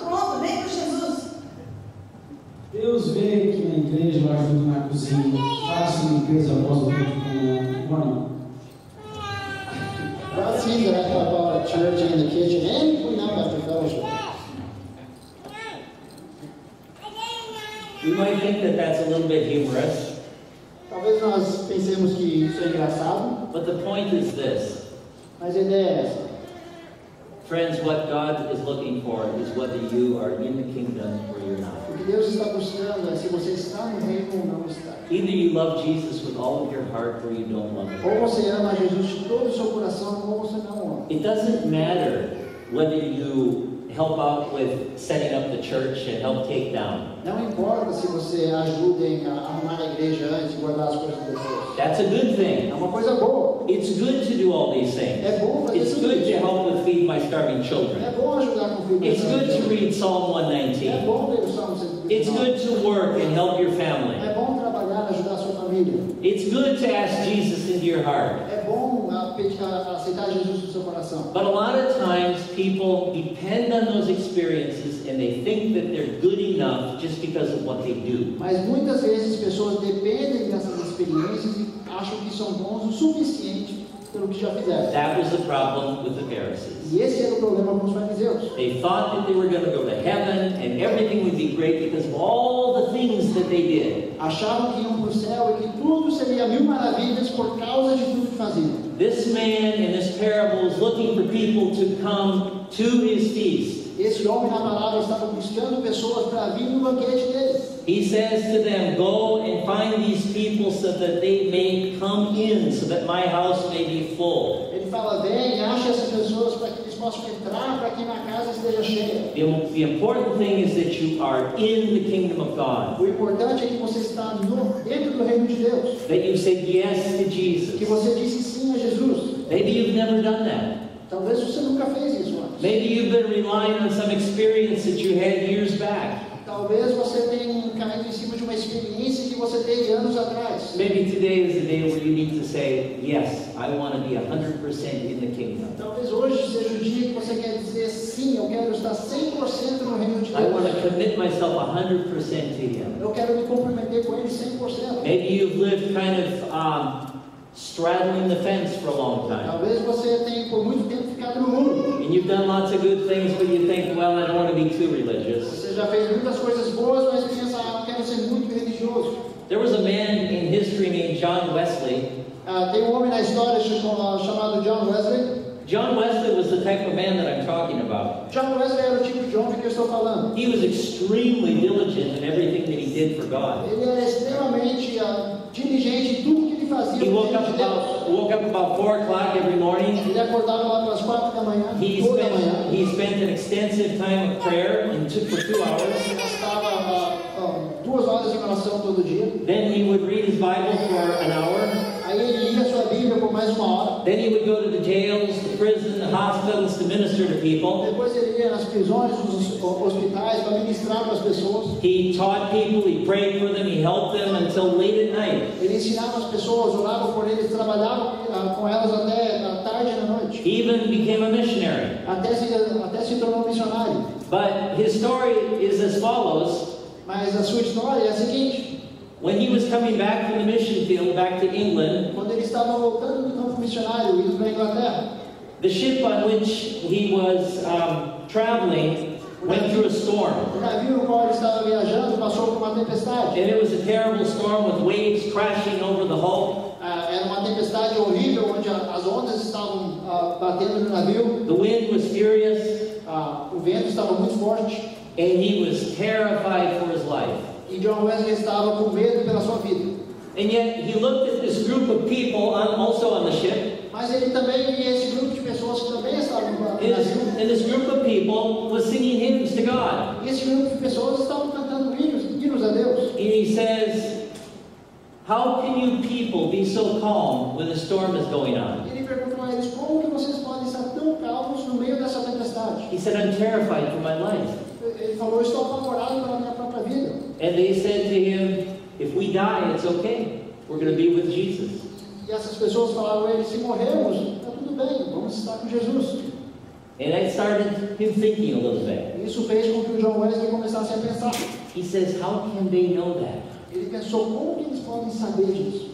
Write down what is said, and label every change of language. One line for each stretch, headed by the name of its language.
Portuguese: está convidado, está tudo pronto, vem pro Jesus. Deus vê que na igreja eu ajudo na cozinha, faço limpeza após o outro com o ano.
English: God sees that I help out at church and in the kitchen and clean up after fellowship. You might think that that's a little bit humorous.
Portuguese: Talvez nós pensemos que isso é engraçado.
English: But the point is this.
Portuguese: Mas a ideia é essa.
English: Friends, what God is looking for is whether you are in the kingdom or you're not.
Portuguese: O que Deus está buscando é se você está no reino ou não está.
English: Either you love Jesus with all of your heart or you don't love him.
Portuguese: Ou você ama Jesus com todo o seu coração ou você não ama.
English: It doesn't matter whether you help out with setting up the church and help take down.
Portuguese: Não importa se você ajuda em arrumar a igreja antes de guardar as coisas de Deus.
English: That's a good thing.
Portuguese: É uma coisa boa.
English: It's good to do all these things.
Portuguese: É bom fazer
English: It's
Portuguese: tudo
English: good
Portuguese: isso.
English: To help with feed my starving children.
Portuguese: É bom ajudar com filho
English: It's good
Portuguese: filho.
English: To read Psalm 119.
Portuguese: É bom ler o Salmo 119.
English: It's good to work and help your family.
Portuguese: É bom trabalhar e ajudar a sua família.
English: It's good to ask Jesus into your heart.
Portuguese: É bom aceitar Jesus no seu coração.
English: But a lot of times people depend on those experiences and they think that they're good enough just because of what they do.
Portuguese: Mas muitas vezes pessoas dependem dessas experiências e acham que são bons o suficiente pelo que já fizeram.
English: That was the problem with the Pharisees.
Portuguese: E esse era o problema com os fariseus.
English: They thought that they were going to go to heaven and everything would be great because of all the things that they did.
Portuguese: Achavam que iam para o céu e que tudo seria mil maravilhas por causa de tudo que faziam.
English: This man in this parable is looking for people to come to his feast.
Portuguese: Esse homem na parábola estava buscando pessoas para vir no banquete dele.
English: He says to them, go and find these people so that they may come in, so that my house may be full.
Portuguese: Ele fala, vem, acha essas pessoas para que eles possam entrar, para que minha casa esteja cheia.
English: The important thing is that you are in the kingdom of God.
Portuguese: O importante é que você está dentro do reino de Deus.
English: That you said yes to Jesus.
Portuguese: Que você disse sim a Jesus.
English: Maybe you've never done that.
Portuguese: Talvez você nunca fez isso antes.
English: Maybe you've been relying on some experience that you had years back.
Portuguese: Talvez você tenha caído em cima de uma experiência que você teve anos atrás.
English: Maybe today is the day where you need to say, yes, I want to be 100% in the kingdom.
Portuguese: Talvez hoje seja o dia que você quer dizer, sim, eu quero estar 100% no reino de Deus.
English: I want to commit myself 100% to him.
Portuguese: Eu quero me comprometer com ele 100%.
English: Maybe you've lived kind of straddling the fence for a long time.
Portuguese: Talvez você tenha por muito tempo ficado no muro.
English: And you've done lots of good things, but you think, well, I don't want to be too religious.
Portuguese: Você já fez muitas coisas boas, mas pensa, ah, eu quero ser muito religioso.
English: There was a man in history named John Wesley.
Portuguese: Tem um homem na história chamado John Wesley.
English: John Wesley was the type of man that I'm talking about.
Portuguese: John Wesley era o tipo de homem que eu estou falando.
English: He was extremely diligent in everything that he did for God.
Portuguese: Ele era extremamente diligente em tudo que ele fazia por Deus.
English: He woke up about 4 o'clock every morning.
Portuguese: Ele acordava lá pelas 4 da manhã.
English: He spent an extensive time of prayer and took for 2 hours.
Portuguese: Ele gastava 2 horas de oração todo dia.
English: Then he would read his Bible for an hour.
Portuguese: Aí ele lia sua Bíblia por mais uma hora.
English: Then he would go to the jails, the prisons, the hospitals to minister to people.
Portuguese: Depois ele ia nas prisões, nos hospitais para ministrar para as pessoas.
English: He taught people, he prayed for them, he helped them until late at night.
Portuguese: Ele ensinava as pessoas, orava por eles, trabalhava com elas até na tarde e na noite.
English: He even became a missionary.
Portuguese: Até se tornou missionário.
English: But his story is as follows.
Portuguese: Mas a sua história é a seguinte.
English: When he was coming back from the mission field back to England,
Portuguese: quando ele estava voltando do campo missionário indo para a Inglaterra,
English: the ship on which he was traveling went through a storm.
Portuguese: O navio no qual ele estava viajando passou por uma tempestade.
English: And it was a terrible storm with waves crashing over the hull.
Portuguese: Era uma tempestade horrível onde as ondas estavam batendo no navio.
English: The wind was furious.
Portuguese: O vento estava muito forte.
English: And he was terrified for his life.
Portuguese: E John Wesley estava com medo pela sua vida.
English: And yet he looked at this group of people on, also on the ship.
Portuguese: Mas ele também via esse grupo de pessoas que também estavam no navio.
English: And this group of people was singing hymns to God.
Portuguese: E esse grupo de pessoas estavam cantando hinos a Deus.
English: And he says, how can you people be so calm when the storm is going on?
Portuguese: Ele perguntou a eles, como que vocês podem estar tão calmos no meio dessa tempestade?
English: He said, I'm terrified for my life.
Portuguese: Ele falou, estou apavorado pela minha própria vida.
English: And they said to him, if we die, it's okay. We're going to be with Jesus.
Portuguese: E essas pessoas falaram a ele, se morrermos, está tudo bem, vamos estar com Jesus.
English: And that started him thinking a little bit.
Portuguese: Isso fez com que o John Wesley começasse a pensar.
English: He says, how can they know that?
Portuguese: Ele pensou, como que eles podem saber disso?